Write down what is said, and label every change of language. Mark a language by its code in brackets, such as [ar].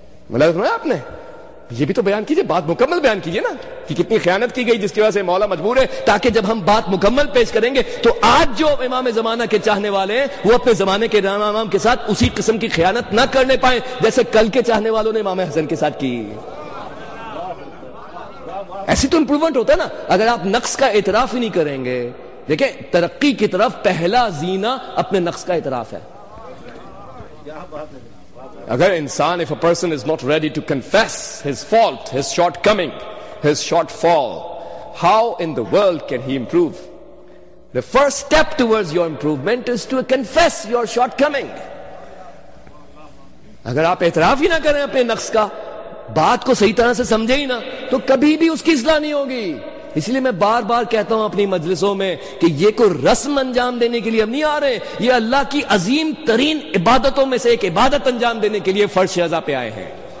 [ur] ملاحظہ فرمایا آپ نے, یہ بھی تو بیان کیجئے, بات مکمل بیان کیجئے نا کہ کتنی خیانت کی گئی جس کی وجہ سے مولا مجبور ہے, تاکہ جب ہم بات مکمل پیش کریں گے تو آج جو امام زمانہ کے چاہنے والے ہیں وہ اپنے زمانے کے امام کے ساتھ اسی قسم کی خیانت نہ کرنے پائیں جیسے کل کے چاہنے والوں نے امام حسن کے ساتھ کی. ایسی تو امپروومنٹ ہوتا ہے نا اگر آپ نقص کا اعتراف ہی نہیں کریں گے. دیکھیں ترقی کی طرف پہلا زینہ اپنے نقص کا اعتراف ہے. اگر انسان, [en] if a person is not ready to confess his fault, his shortcoming, his shortfall, how in the world can he improve? The first step towards your improvement is to confess your shortcoming. [ur] اگر آپ اعتراف ہی نہ کریں اپنے نقص کا, بات کو صحیح طرح سے سمجھے ہی نہ, تو کبھی بھی اس کی اصلاح نہیں ہوگی. اس لیے میں بار بار کہتا ہوں اپنی مجلسوں میں کہ یہ کوئی رسم انجام دینے کے لیے ہم نہیں آ رہے, یہ اللہ کی عظیم ترین عبادتوں میں سے ایک عبادت انجام دینے کے لیے فرش عزا پہ آئے ہیں.